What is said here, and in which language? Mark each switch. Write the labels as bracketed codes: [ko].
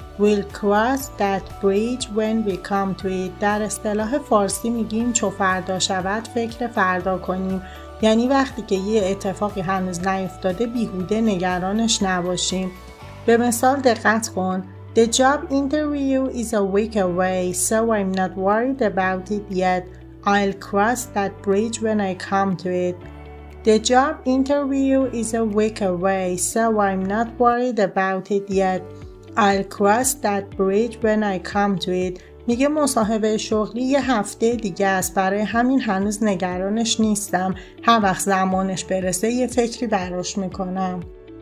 [en] We'll cross that bridge when we come to it. [fa] در اصطلاح فارسی میگیم چو فردا شود فکر فردا کنیم، یعنی وقتی که یه اتفاقی هنوز نیفتاده بیهوده نگرانش نباشیم. به مثال دقت کن. [en] The job interview is a week away so I'm not worried about it yet. I'll cross that bridge when I come to it. The job interview is a week away, so I'm not worried about it yet. I'll cross that bridge when I come to it. [fa] میگه مصاحبه شغلی یه هفته دیگه است، برای همین هنوز نگرانش نیستم. هر وقت زمانش برسه یه فکری براش میکنم.